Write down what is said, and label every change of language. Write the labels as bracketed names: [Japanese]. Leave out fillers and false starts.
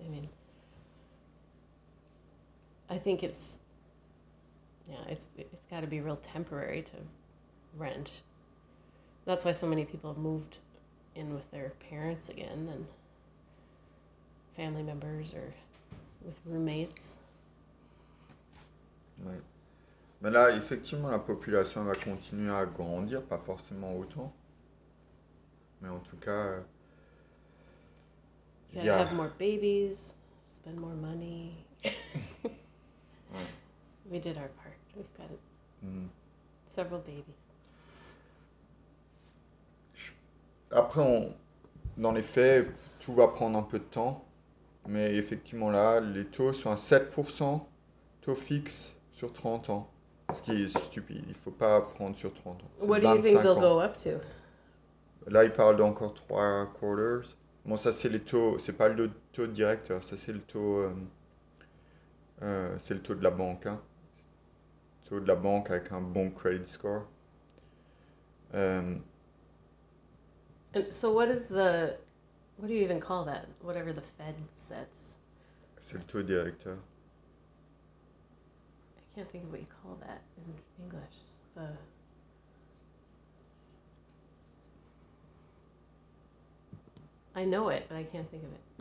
[English] I mean, I think it's, yeah, it's got to be real temporary to rent. That's why so many people have moved in with their parents again and family members or with roommates. [French] Ouais. Mais là, effectivement, la population va continuer à grandir, pas forcément autant. Mais en tout cas, [English] Gotta have more babies, spend more money. We did our part. We've got several babies. [French] Après, dans les faits, tout va prendre un peu de temps, mais effectivement là, les taux sont à 7% taux fixe sur 30 ans. Ce qui est stupide, il ne faut pas prendre sur 30 ans. C'est [English] What do you think [French] 25 [English] they'll [French] ans. [English] go up to? [French] Là, il parle d'encore 3 quarters. Bon, ça, c'est les taux, c'est pas le taux directeur, ça, c'est le taux de la banque, hein. Taux de la banque avec un bon credit score. [English] And so what is the, what do you even call that? Whatever the Fed sets. [French] C'est le taux directeur. [English] I can't think of what you call that in English. The I know it, but I can't think of it.